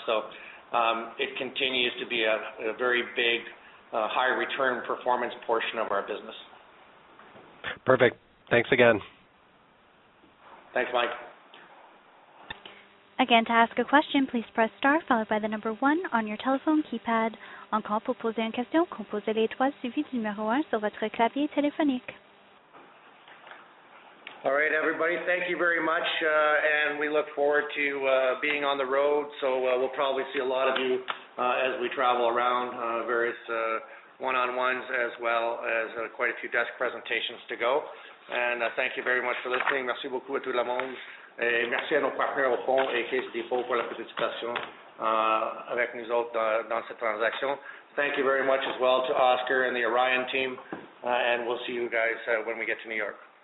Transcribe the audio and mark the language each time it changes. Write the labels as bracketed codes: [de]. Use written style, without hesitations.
[en] So it continues to be a very big, high return performance portion of our business. Perfect. Thanks again. Thanks, Mike. Again, to ask a question, please press star followed by the number 1 on your telephone keypad. [fr] Encore pour poser une question, composez l'étoile suivie du numéro 1 sur votre clavier téléphonique. [en] All right, everybody, thank you very much, and we look forward to being on the road, so we'll probably see a lot of you as we travel around various one-on-ones as well as quite a few desk presentations to go. And thank you very much for listening. [fr] Merci beaucoup à tout le monde. Et merci à nos partenaires au fonds et Caisse Depot pour la participation avec nous autres dans cette transaction. [en] Thank you very much as well to Oscar and the Orion team, and we'll see you guys when we get to New York.